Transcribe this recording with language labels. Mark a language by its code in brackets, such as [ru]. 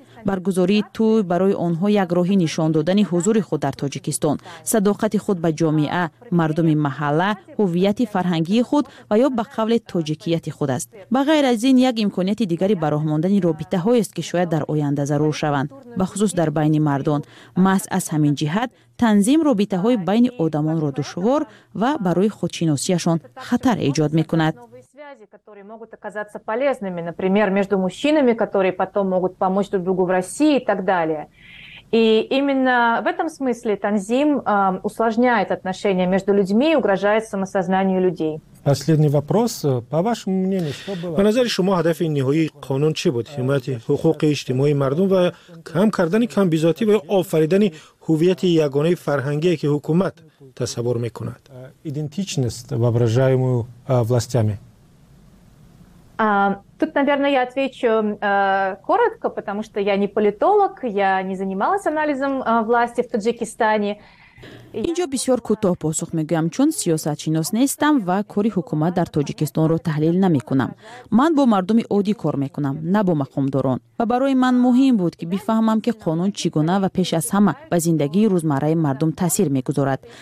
[tg] Баргузории туй барои онҳо як роҳи нишон додани ҳузури худ дар Тоҷикистон, садоқати худ ба ҷомеа, мардуми маҳалла, ҳувияти фарҳангии худ ва ё ба қавле тоҷикияти худ аст. Ба ғайр аз ин, як имконияти дигари ба роҳ мондани робитаҳоест ки шояд дар оянда зарур шаванд, ба хусус дар байни мардон. Маҳз аз ҳамин ҷиҳат танзим робитаҳои байни одамонро душвор ва барои худшиносиашон хатар эҷод мекунад. [ru] Которые могут оказаться полезными, например, между мужчинами, которые потом могут помочь друг другу в России и так далее. И именно в этом смысле танзим усложняет отношения между людьми и угрожает самосознанию людей. Последний вопрос. По вашему мнению, что было? [tg] По назаре шумо, хадафи ниҳои қонун чи буд? Ҳимояти ҳуқуқи иҷтимоии мардум ва кам кардани камбизоатӣ ва офаридани ҳувияти ягонаи фарҳангӣ ки ҳукумат тасаввур мекунад. [ru] Идентичность, воображаемую властями. Тут, наверное, я отвечу коротко, потому что я не политолог, я не занималась анализом власти в Таджикистане. [tg] Инҷо бисёр кӯтоҳ посух мегӯям, чун сиёсатшинос нестам ва кори ҳукумат дар Тоҷикистонро таҳлил намекунам. Ман бо мардуми оддӣ кор мекунам, на бо мақомдорон. Ва барои ман муҳим буд ки бифаҳмам, ки қонун чӣ гуна ва пеш аз ҳама ба зиндагии рӯзмарраи мардум таъсир мегузорад.